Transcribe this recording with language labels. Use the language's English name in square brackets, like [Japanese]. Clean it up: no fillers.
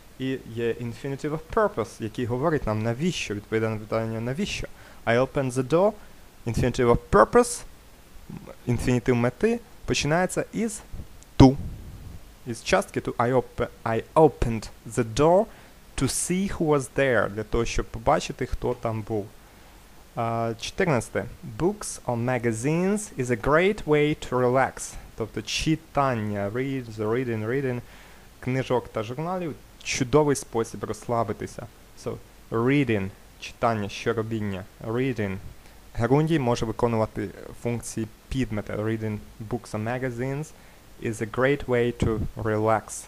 [Ukrainian] І є infinitive of purpose, який говорить нам навіщо, відповідає на питання навіщо. [English] I opened the door. Infinitive of purpose. Infinitive мети. [Ukrainian] Починається із to. Із частки to. [English] I opened the door to see who was there. [Ukrainian] Для того, щоб побачити, хто там був. [English] 14. Books or magazines is a great way to relax. [Ukrainian] Тобто читання, reading, книжок та журналів – чудовий спосіб розслабитися. So, reading – читання, щоробіння. Reading Герунді може виконувати функції підмета. [English] Reading books and magazines is a great way to relax.